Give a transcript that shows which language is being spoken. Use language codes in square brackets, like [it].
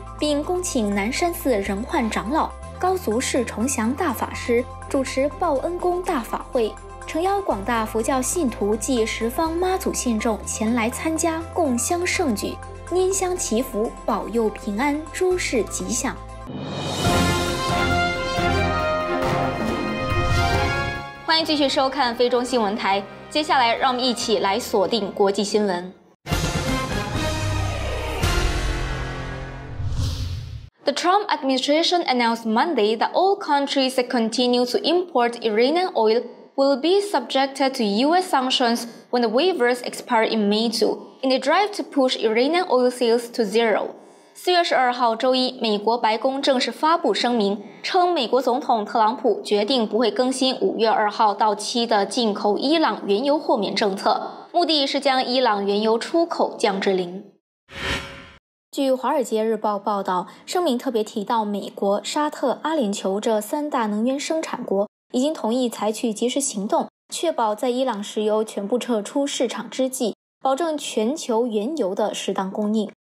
[zh] 并恭请南山寺仁焕长老、高足世重祥大法师主持报恩公大法会，诚邀广大佛教信徒及十方妈祖信众前来参加，共襄盛举，拈香祈福，保佑平安，诸事吉祥。欢迎继续收看菲中新闻台，接下来让我们一起来锁定国际新闻。 [en] The Trump administration announced Monday that all countries that continue to import Iranian oil will be subjected to U.S. sanctions when the waivers expire in May 2, in a drive to push Iranian oil sales to zero. [zh] 4月12号周一，美国白宫正式发布声明，称美国总统特朗普决定不会更新5月2号到期的进口伊朗原油豁免政策，目的是将伊朗原油出口降至零。据《华尔街日报》报道，声明特别提到美国、沙特、阿联酋这三大能源生产国已经同意采取及时行动，确保在伊朗石油全部撤出市场之际，保证全球原油的适当供应。